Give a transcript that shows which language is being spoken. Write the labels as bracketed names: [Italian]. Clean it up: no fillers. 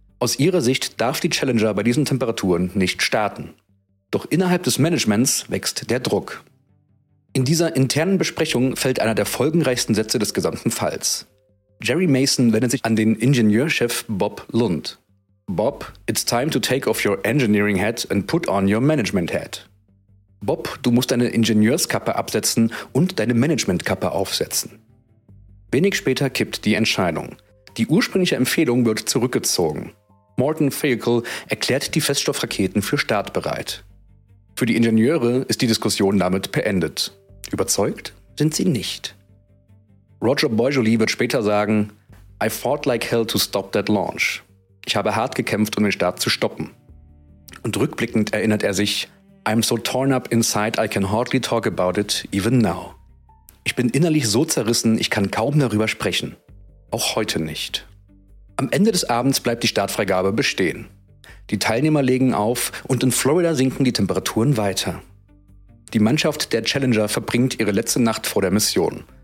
[German] Aus ihrer Sicht darf die Challenger bei diesen Temperaturen nicht starten. Doch innerhalb des Managements wächst der Druck. In dieser internen Besprechung fällt einer der folgenreichsten Sätze des gesamten Falls. Jerry Mason wendet sich an den Ingenieurchef Bob Lund. [English] Bob, it's time to take off your engineering hat and put on your management hat. [German] Bob, du musst deine Ingenieurskappe absetzen und deine Managementkappe aufsetzen. Wenig später kippt die Entscheidung. Die ursprüngliche Empfehlung wird zurückgezogen. Morphon Vehicle erklärt die Feststoffraketen für startbereit. Für die Ingenieure ist die Diskussion damit beendet. Überzeugt sind sie nicht. Roger Beugerly wird später sagen, [English] I fought like hell to stop that launch. [German] Ich habe hart gekämpft, um den Start zu stoppen. Und rückblickend erinnert er sich, [English] I'm so torn up inside, I can hardly talk about it, even now. [German] Ich bin innerlich so zerrissen, ich kann kaum darüber sprechen. Auch heute nicht. Am Ende des Abends bleibt die Startfreigabe bestehen. Die Teilnehmer legen auf und in Florida sinken die Temperaturen weiter. Die Mannschaft der Challenger verbringt ihre letzte Nacht vor der Mission.